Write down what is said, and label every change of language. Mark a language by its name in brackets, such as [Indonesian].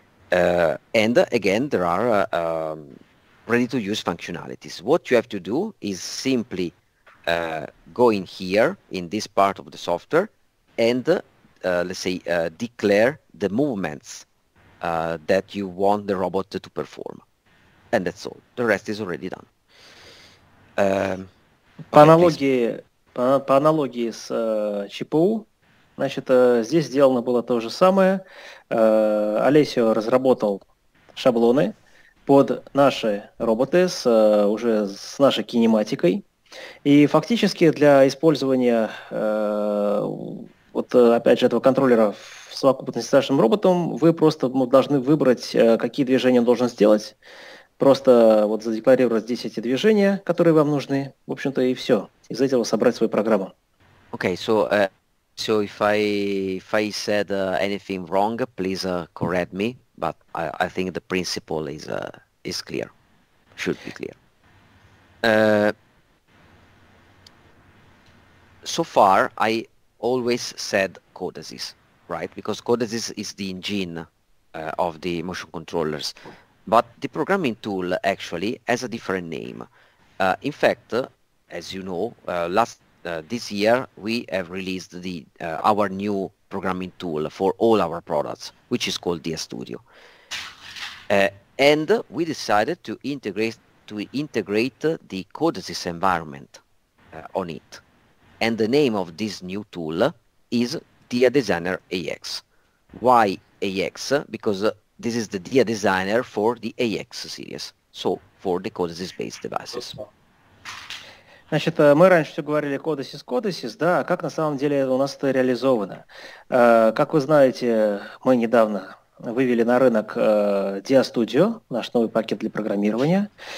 [English] And again, there are ready-to-use functionalities. What you have to do is simply go in here, in this part of the software, and declare the movements that you want the robot to perform. And that's all. The rest is already done. [Russian] По аналогии с ЧПУ, значит, здесь сделано было то же самое. Олесио разработал шаблоны под наши роботы с нашей кинематикой. И фактически для использования этого контроллера в совокупности с нашим роботом, вы просто должны выбрать, какие движения он должен сделать. Просто вот задекларировать здесь эти движения, которые вам нужны, в общем-то, и все. Из этого собрать свою программу. [English] Okay, so if I said anything wrong, please correct me, but I think the principle is clear. Should be clear. So far, I always said CODESYS, right? Because CODESYS is the engine of the motion controllers. But the programming tool actually has a different name. In fact, as you know, this year we have released our new programming tool for all our products, which is called DS Studio. And we decided to integrate the CODESYS environment on it. And the name of this new tool is DIADesigner-AX. Why AX? Because this is the DIADesigner for the AX series, so for the CODESYS-based devices. [Russian] Значит, мы раньше все говорили CODESYS, CODESYS, да, а как на самом деле у нас это реализовано? Как вы знаете, мы недавно вывели на рынок DIA-Studio, наш новый пакет для программирования.